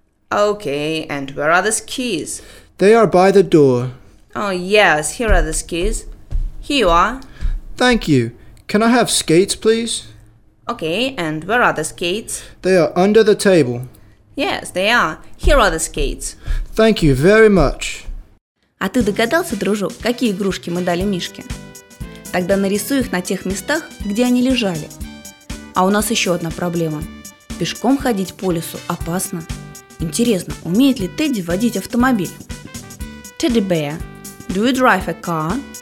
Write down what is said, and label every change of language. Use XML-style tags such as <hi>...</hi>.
<en>Okay, and where are the skis? They are by the door. Oh, yes, here are the skis. Here you are. Thank you. Can I have skates, please? Okay, and where are the skates? They are under the table. Yes, they are. Here are the skates. Thank you very much.</en> <ru>А ты догадался, дружок, какие игрушки мы дали Мишке? Тогда нарисуй их на тех местах, где они лежали. А у нас еще одна проблема. Пешком ходить по лесу опасно. Интересно, умеет ли Тедди водить автомобиль?</ru> <en>Teddy Bear, do you drive a car?</en>